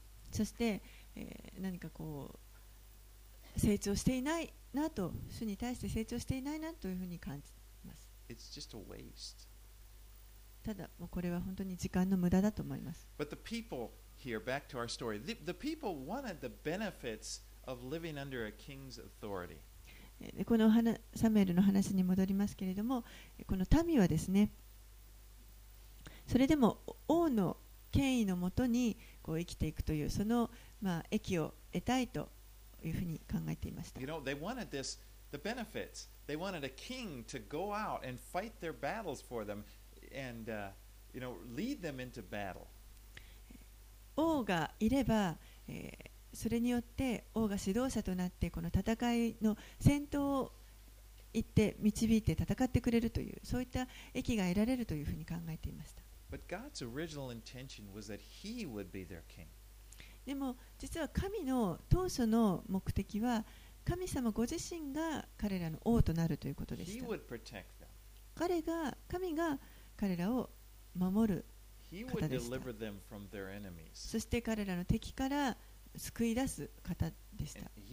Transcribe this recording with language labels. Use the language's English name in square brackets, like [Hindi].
[Japanese] そして、何かこう成長していないなと、主に対して成長していないなというふうに感じます。 [English] It's just a waste. [Japanese] ただもうこれは本当に時間の無駄だと思います。 [English] But the people here, back to our story, the people wanted the benefits of living under a king's authority. [Japanese] このサムエルの話に戻りますけれども、この民はですね、それでも王の権威のもとにこう生きていくという、その、まあ、益を得たいというふうに考えていました。 [English] You know, they wanted this, the benefits. They wanted a king to go out and fight their battles for them. And you know, lead them into battle. [Japanese] 王がいれば、それによって王が指導者となってこの戦いの先頭を行って導いて戦ってくれるという、そういった益が得られるというふうに考えていました。 [English] But God's original intention was that he would be their king. [Japanese] でも実は神の当初の目的は、神様ご自身が彼らの王となるということでした。 [English] He would protect them. [Japanese] 彼が、神が彼らを守る方でした。そして彼らの敵から救い出す方でした。